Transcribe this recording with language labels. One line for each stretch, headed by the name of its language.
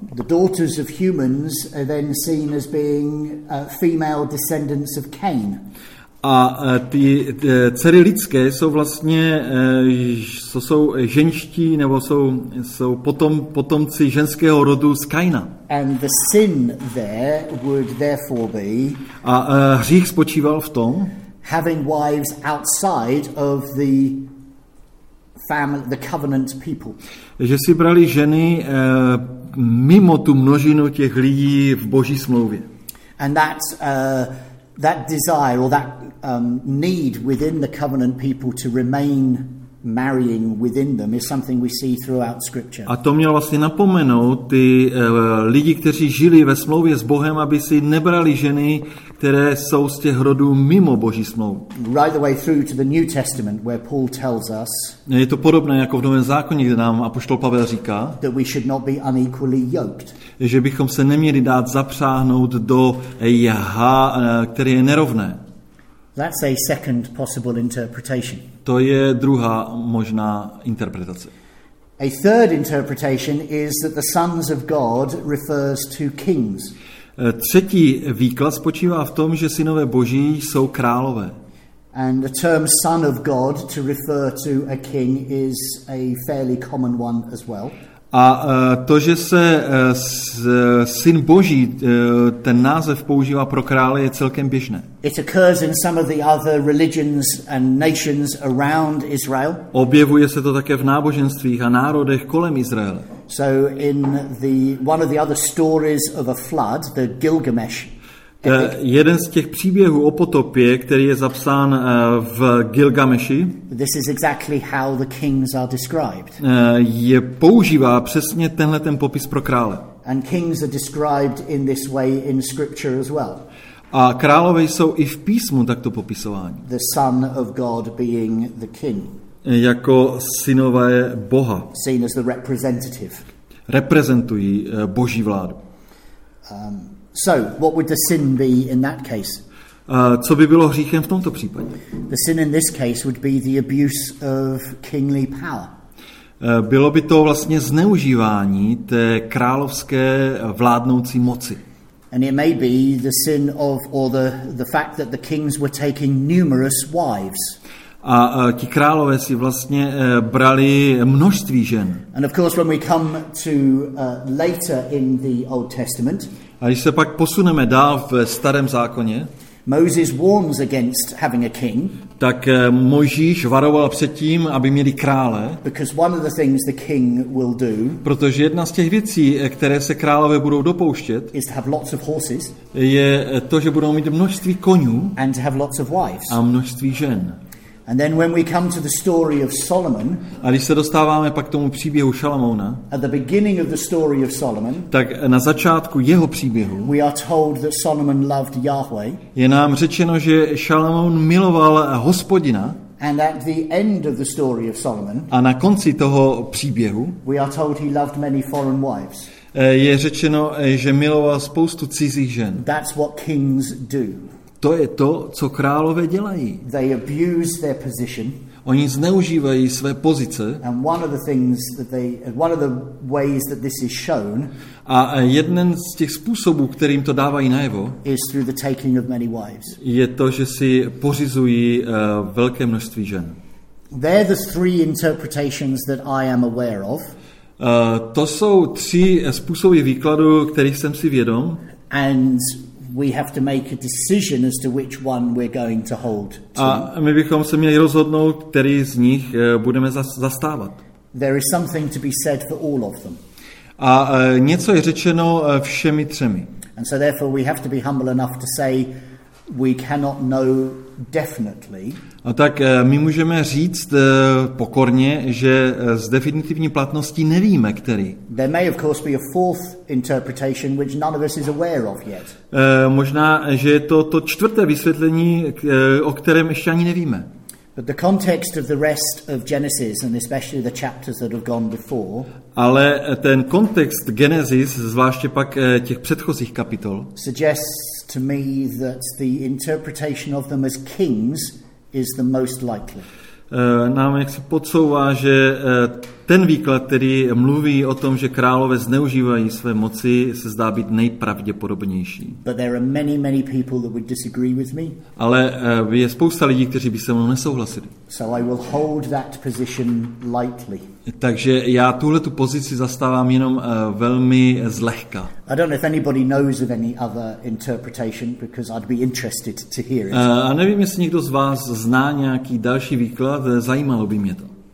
English: The daughters of humans are then seen as being female descendants of Cain.
Czech: A ty dcery lidské jsou vlastně, jsou ženští, nebo jsou potomci ženského rodu z Kaina.
English: And the sin there would therefore be.
Czech: A hřích spočíval v tom,
English: having wives outside of the family, the covenant people.
Czech: Že si brali ženy mimo tu množinu těch lidí v Boží smlouvě.
English: And that desire or that need within the covenant people to remain marrying within them is something we see throughout scripture.
Czech: A to mělo vlastně napomenout ty lidi, kteří žili ve smlouvě s Bohem, aby si nebrali ženy, které jsou z těch rodů mimo Boží smlouvu.
English: Right the way through to the New Testament where Paul tells us.
Czech: Je to podobné jako v Novém zákoně, kde nám apoštol Pavel říká,
English: that we should not be unequally yoked.
Czech: Že bychom se neměli dát zapřáhnout do jaha, které je nerovné.
English: That's a second possible interpretation.
Czech: To je druhá možná interpretace.
English: A third interpretation is that the sons of God refers to kings.
Czech: Třetí výklad spočívá v tom, že synové Boží jsou králové.
English: And the term son of God to refer to a king is a fairly common one as well.
Czech: A to, že se syn Boží, ten název používá pro krále, je celkem běžné.
English: It occurs in some of the other religions and nations around Israel.
Czech: Objevuje se to také v náboženstvích a národech kolem Izraele.
English: So in the one of the other stories of a flood, the Gilgamesh.
Czech: Jeden z těch příběhů o potopě, který je zapsán v Gilgameši,
English: this is exactly how the kings are described.
Czech: Je používá přesně tenhle ten popis pro krále.
English: And kings are described in this way in scripture as well.
Czech: A králové jsou i v písmu takto popisováni.
English: The son of God being the king.
Czech: Jako synové Boha.
English: Seen as the representative.
Czech: Reprezentují Boží vládu.
English: So, what would the sin be in that case?
Czech: Co by bylo hříchem v tomto případě?
English: The sin in this case would be the abuse of kingly power.
Czech: Bylo by to vlastně zneužívání té královské vládnoucí moci.
English: And it may be the sin of or the fact that the kings were taking numerous wives.
Czech: A ti králové si vlastně brali množství žen.
English: And of course when we come to later in the Old Testament.
Czech: A když se pak posuneme dál v Starém zákoně,
English: Moses warns against having a king,
Czech: tak Mojžíš varoval před tím, aby měli krále,
English: because one of the things the king will do,
Czech: protože jedna z těch věcí, které se králové budou dopouštět,
English: is to have lots of horses,
Czech: je to, že budou mít množství koní
English: and to have lots of wives.
Czech: A množství žen.
English: And then when we come to the story of Solomon,
Czech: a když se dostáváme pak k tomu příběhu Šalamouna,
English: at the beginning of the story of Solomon,
Czech: tak na začátku jeho příběhu,
English: we are told that Solomon loved Yahweh,
Czech: je nám řečeno, že Šalamoun miloval Hospodina,
English: and at the end of the story of Solomon,
Czech: a na konci toho příběhu,
English: we are told he loved many foreign wives.
Czech: Je řečeno, že miloval spoustu cizích žen.
English: That's what kings do.
Czech: To je to, co králové dělají.
English: They abuse their position.
Czech: Oni zneužívají své pozice.
English: And one of the things that they, one of the ways that this is shown,
Czech: a jeden z těch způsobů, kterým to dávají najevo,
English: is through the taking of many wives.
Czech: Je to, že si pořizují velké množství žen.
English: They're the three interpretations that I am aware of.
Czech: To jsou tři způsoby výkladu, kterých jsem si vědom.
English: And we have to make a decision as to which one we're going to hold to.
Czech: A my bychom se měli rozhodnout, který z nich budeme zastávat.
English: There is something to be said for all of them.
Czech: A něco je řečeno všemi třemi.
English: And so therefore we have to be humble enough to say we cannot know definitely.
Czech: A tak my můžeme říct pokorně, že s definitivní platností nevíme, který.
English: There may of course be a fourth interpretation which none of us is aware of yet.
Czech: Možná, že je to čtvrté vysvětlení, o kterém ještě ani nevíme.
English: But the context of the rest of Genesis and especially the chapters that have gone before.
Czech: Ale ten kontext Genesis, zvláště pak těch předchozích kapitol,
English: suggests to me that the interpretation of them as kings is the most likely.
Czech: Nám jaksi podsouvá, že ten výklad, který mluví o tom, že králové zneužívají své moci, se zdá být nejpravděpodobnější.
English: But there are many, many people that would disagree with me.
Czech: Ale je spousta lidí, kteří by se mnou nesouhlasili.
English: So I will hold that position lightly.
Czech: Takže já tuhle tu pozici zastávám jenom velmi zlehka.
English: I don't know if anybody knows of any other interpretation, because I'd be interested to hear it.
Czech: A nevím, jestli někdo z vás zná nějaký další výklad, zajímalo by mě to.